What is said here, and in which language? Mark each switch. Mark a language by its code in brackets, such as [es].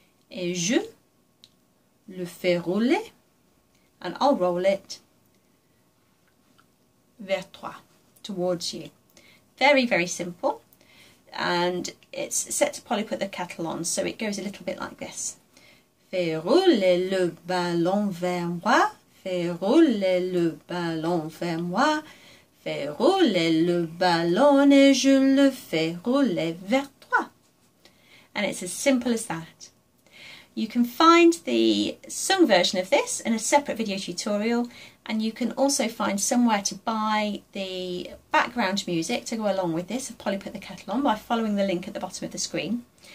[fr] Et je le fais rouler, [en] and I'll roll it, [fr] vers toi, [en] towards you. Very, very simple. And it's set to Polly Put the Kettle On, so it goes a little bit like this. [fr] Fais rouler le ballon vers moi, fais rouler le ballon vers moi, fais rouler le ballon et je le fais rouler vers toi. [en] And it's as simple as that. You can find the sung version of this in a separate video tutorial, and you can also find somewhere to buy the background music to go along with this of Polly Put the Kettle On by following the link at the bottom of the screen.